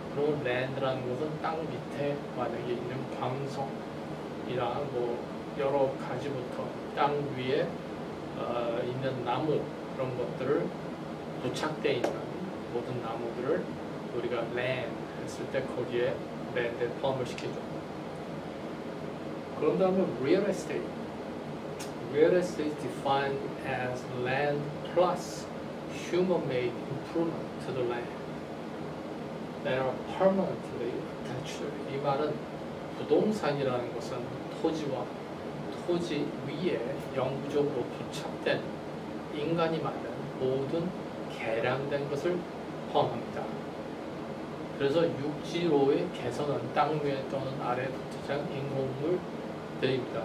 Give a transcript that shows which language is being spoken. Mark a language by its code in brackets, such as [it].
[ko] 그리고 land라는 것은 땅 밑에 만약에 있는 광석이랑 뭐 여러 가지부터 땅 위에 있는 나무 그런 것들을 부착되어 있는 모든 나무들을 우리가 land 했을 때 거기에 land에 포함을 시키죠. 그런 다음에 real estate. [en] Real estate is defined as land plus human-made improvement to the land that are permanently attached. [ko] 이 말은 부동산이라는 것은 토지와 토지 위에 영구적으로 부착된 인간이 만든 모든 개량된 것을 포함합니다. 그래서 육지로의 개선은 땅 위에 또는 아래에 부착한 인공물들입니다.